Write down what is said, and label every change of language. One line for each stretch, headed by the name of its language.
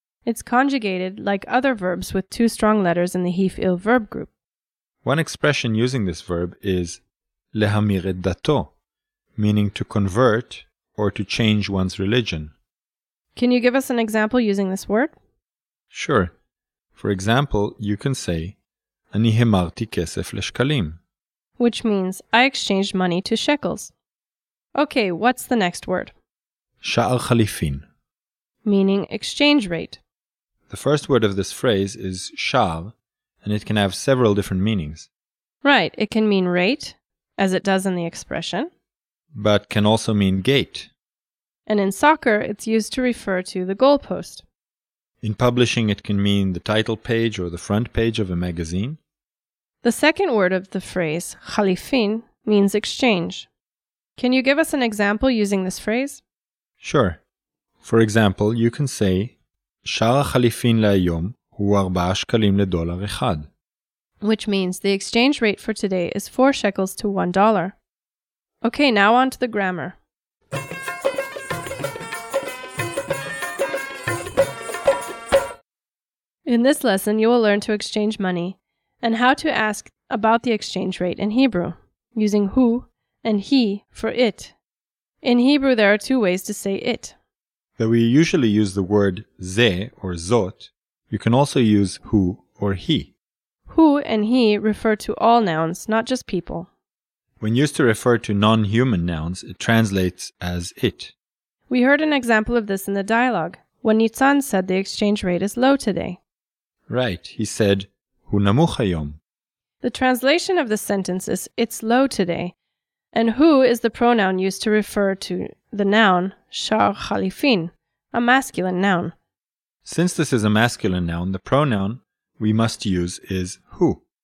English: It's conjugated like other verbs with two strong letters in the hifil verb group. One expression using this verb is
Hebrew: להמיר את דתו,
English: meaning to convert or to change one's religion. Can you give us an example using this word? Sure. For example, you can say
Hebrew: אני המרתי כסף לשקלים,
English: which means I exchanged money to shekels. Okay, what's the next word?
Hebrew: שער חליפין,
English: meaning exchange rate. The first word of this phrase is שער, and it can have several different meanings. Right, it can mean rate, as it does in the expression, but can also mean gate. And in soccer, it's used to refer to the goalpost. In publishing, it can mean the title page or the front page of a magazine. The second word of the phrase, חליפין, means exchange. Can you give us an example using this phrase? Sure. For example, you can say,
Hebrew: שער החליפין להיום הוא 4 שקלים לדולר אחד,
English: which means the exchange rate for today is 4 shekels to $1. Okay, now on to the grammar. In this lesson, you will learn to exchange money and how to ask about the exchange rate in Hebrew, using who and he for it. In Hebrew, there are two ways to say it. Though we usually use the word ze or zot, you can also use who or he. Who and he refer to all nouns, not just people. When used to refer to non-human nouns, it translates as it. We heard an example of this in the dialogue, when Nitzan said the exchange rate is low today. Right, he said,
Hebrew: הוא נמוך היום.
English: The translation of the sentence is, it's low today, and who is the pronoun used to refer to the noun, שער חליפין, a masculine noun. Since this is a masculine noun, the pronoun we must use is who.